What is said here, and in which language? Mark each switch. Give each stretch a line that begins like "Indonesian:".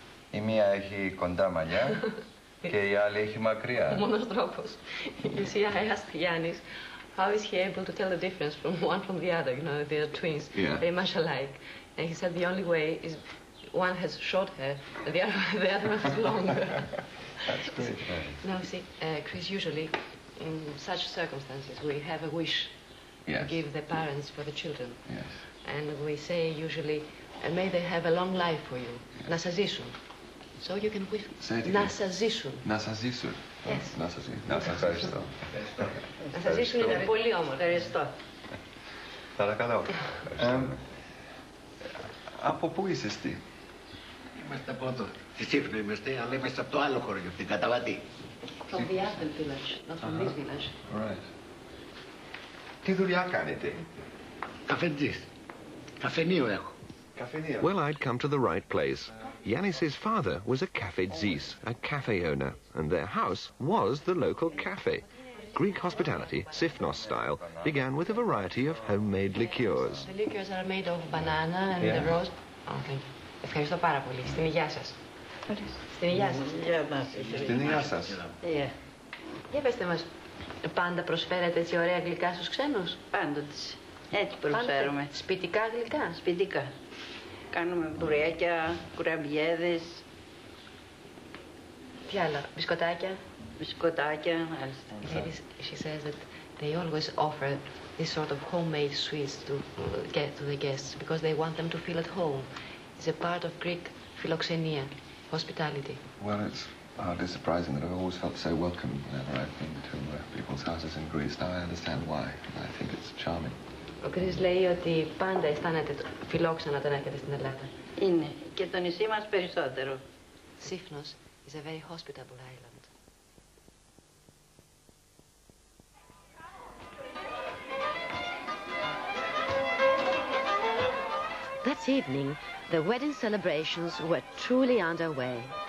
Greek: Η μία έχει κοντά μαλλιά και η άλλη έχει μακριά. Ο μόνος τρόπος.
English: You see, I asked Yanis, how is he able to tell the difference from one from the other? You know, they are twins, yeah. Very much alike. And he said the only way is one has short hair and the other one has longer. That's great. Now, see, Chris, usually in such circumstances we have a wish, yes, to give the parents for the children. Yes. And we say usually, may they have a long life for you.
Greek: Να σας ζήσουν.
English: So you can wish.
Greek: Να σας ζήσουν. Να σας ζήσουν.
English: Yes.
Greek: Να σας ζήσουν. Να σας ευχαριστώ. Να σας ζήσουν είναι πολύ όμορφο. Ευχαριστώ. Παρακαλώ. Από πού είσαι εσύ? Είμαστε από εδώ. Στη Σύφνο είμαστε, αλλά είμαστε από το άλλο χωριό, την Καταβατή.
English: From the Athen village, not from this village. Right.
Greek: Τι δουλειά κάνετε? Καφεντζής. Καφενείο έχω. Καφενείο.
English: Well, I'd come to the right place. Yanis's father was a cafe ζης, a cafe owner, and their house was the local cafe. Greek hospitality, Sifnos style, began with a variety of homemade liqueurs. The liqueurs are made of banana and the rose. Okay.
Greek: Ευχαριστώ πάρα πολύ. Στην υγειά σας. Στην υγειά σας. Στην υγειά σας. Για πέστε μας, πάντα προσφέρετε έτσι ωραία γλυκά στους ξένους? Πάντοτε. Έτσι προσφέρουμε. Πάντε σπιτικά γλυκά. Σπιτικά. Κάνουμε μπουρέκια, κουραμπιέδες. Τι άλλα, μπισκοτάκια. Μπισκοτάκια, μάλιστα.
English: She says that they always offer these sort of homemade sweets to get to the guests because they want them to feel at home. It's a part of Greek philoxenia, hospitality. Well, it's hardly surprising that I've always felt so welcome whenever I've been to people's houses in Greece. Now I understand why. I think it's charming.
Greek: Ο Κρίς λέει ότι πάντα αισθάνεται φιλόξενο όταν έρχεται στην Ελλάδα. Είναι. Και το νησί μας περισσότερο.
English: Σύφνος is a very hospitable island. That evening, the wedding celebrations were truly underway.